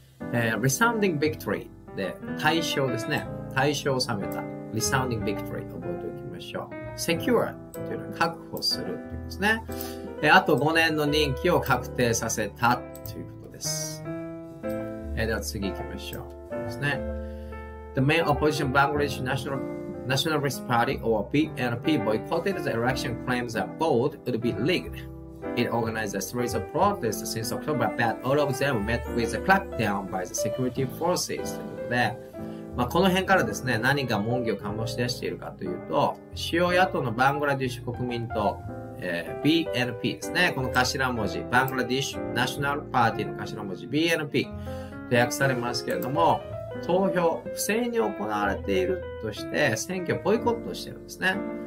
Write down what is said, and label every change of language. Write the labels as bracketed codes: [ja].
[en] Resounding victory [ja] で大勝ですね、大勝を収めた。 [en] Resounding victory [ja] 覚えておきましょう。Secure というのは確保するということですね。あと5年の任期を確定させたということです。では次行きましょうですね。 [en] The main opposition Bangladesh Nationalist Party or BNP boycotted the election claims that vote would be rigged. It organized a series of protests since October, but all of them met with a crackdown by the security forces. [ja] で、まあ、この辺からですね、何が門戸を醸し出しているかというと、主要野党のバングラディッシュ国民党、BNP ですね、この頭文字、バングラディッシュナショナルパーティーの頭文字 BNP と訳されますけれども、投票不正に行われているとして選挙ボイコットしてるんですね。